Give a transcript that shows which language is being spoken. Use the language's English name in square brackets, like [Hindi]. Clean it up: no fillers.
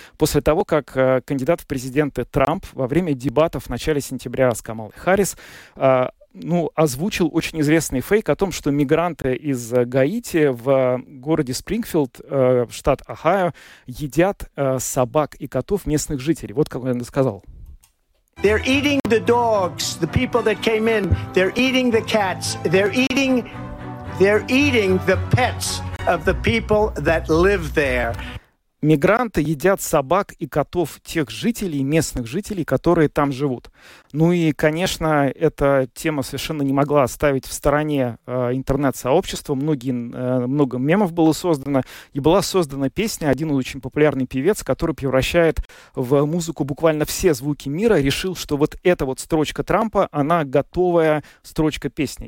[Russian] После того, как кандидат в президенты Трамп во время дебатов в начале сентября с Камалой Харрис озвучил очень известный фейк о том, что мигранты из Гаити в городе Спрингфилд, штат Охайо, едят собак и котов местных жителей. Вот как он это сказал. [English] They're eating the dogs, the people that came in. They're eating the cats. They're eating the pets of the people that live there. [Russian] Мигранты едят собак и котов тех жителей, местных жителей, которые там живут. Ну и, конечно, эта тема совершенно не могла оставить в стороне интернет-сообщества. Много мемов было создано. И была создана песня, один очень популярный певец, который превращает в музыку буквально все звуки мира, решил, что вот эта вот строчка Трампа, она готовая строчка песни.